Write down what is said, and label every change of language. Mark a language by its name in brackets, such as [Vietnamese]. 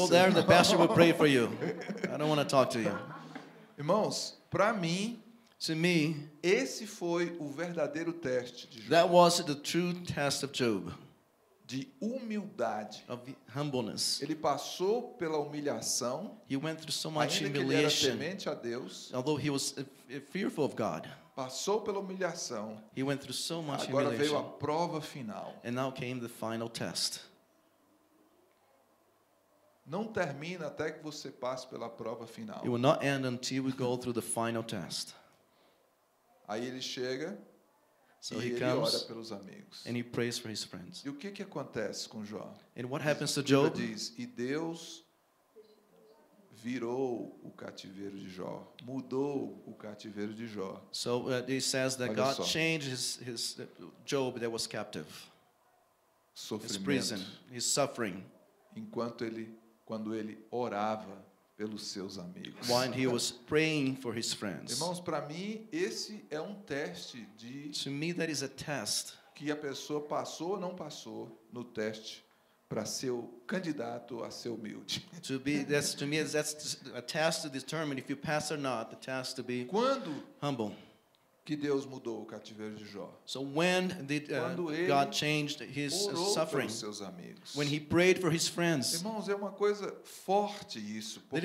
[English] Go there, the pastor will pray for you. I don't want to talk to you. [Portuguese] Irmãos, para mim, [English] to me, [Portuguese] esse foi o verdadeiro teste de Job. [English] That was the true test of Job. [Portuguese] De humildade. [English] Of humbleness. [Portuguese] Ele passou pela humilhação. [English] He went through so much humiliation. [Portuguese] Ainda que ele era temente a Deus. [English] Although he was fearful of God. [Portuguese] Passou pela humilhação. [English] He went through so much [Portuguese] agora [English] humiliation. [Portuguese] Veio a prova final. [English] And now came the final test. [Portuguese] Não termina até que você passe pela prova final. [English] It will not end until we go through the final test. [Portuguese] Aí ele chega, [English] so [Portuguese] e [English] he [Portuguese] ele [English] comes, [Portuguese] ora pelos amigos. [English] And he prays for his friends. [Portuguese] E o que que acontece com Jó? [English] And what happens to Job? [Portuguese] Ele diz, e Deus virou o cativeiro de Jó, mudou o cativeiro de Jó. [English] So he says that God changed his Job that was captive. [Portuguese] Sofrimento. [English] His prison, his suffering. [Portuguese] Enquanto ele quando ele orava pelos seus amigos. [English] While he was praying for his friends. [Portuguese] Irmãos, para mim esse é um teste de [English] to me, that is a test. [Portuguese] Que a pessoa passou ou não passou no teste para ser o candidato a ser humilde. [English] To be that's to me that's a test to determine if you pass or not the test to be [Portuguese] quando [English] humble. [Portuguese] que Deus mudou o cativeiro de Jó. [English] So when did God changed his suffering? [Portuguese] Orou pelos seus amigos. [English] When he prayed for his friends. [Portuguese] Irmãos, é uma coisa forte isso, porque